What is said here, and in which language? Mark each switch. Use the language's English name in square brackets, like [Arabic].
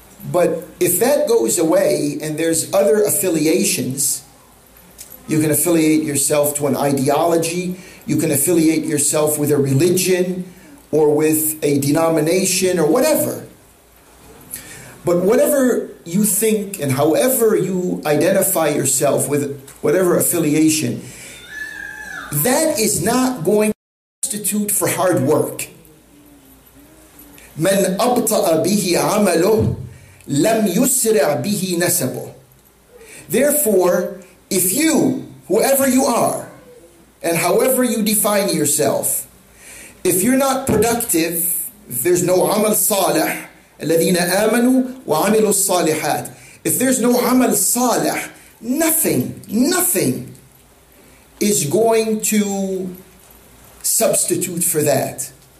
[English] But if that goes away and there's other affiliations, you can affiliate yourself to an ideology, you can affiliate yourself with a religion or with a denomination or whatever. But whatever you think and however you identify yourself with whatever affiliation, that is not going to constitute for hard work. [Arabic] من أبطأ به عمله لم يسرع به نسبه. [English] Therefore, if you, whoever you are, and however you define yourself, if you're not productive, if there's no [Arabic] عمل صالح, الذين آمنوا وعملوا الصالحات. [English] If there's no عمل صالح, nothing is going to substitute for that.